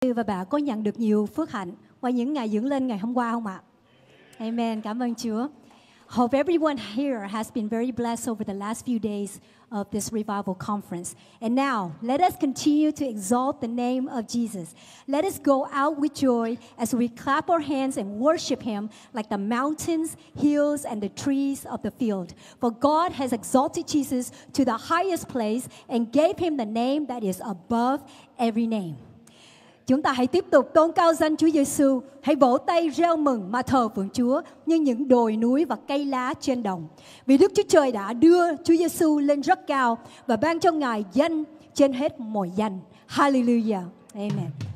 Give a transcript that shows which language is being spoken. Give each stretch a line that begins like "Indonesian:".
Vietnamese: và bà có nhận được nhiều phước hạnh qua những ngày dưỡng linh ngày hôm qua không ạ? Amen. Cảm ơn Chúa.
English: Hope everyone here has been very blessed over the last few days of this revival conference. And now, let us continue to exalt the name of Jesus. Let us go out with joy as we clap our hands and worship Him like the mountains, hills, and the trees of the field. For God has exalted Jesus to the highest place and gave Him the name that is above every name.
Vietnamese: Chúng ta hãy tiếp tục tôn cao danh Chúa Giêsu, hãy vỗ tay reo mừng mà thờ phượng Chúa như những đồi núi và cây lá trên đồng. Vì Đức Chúa Trời đã đưa Chúa Giêsu lên rất cao và ban cho Ngài danh trên hết mọi danh. Hallelujah. Amen.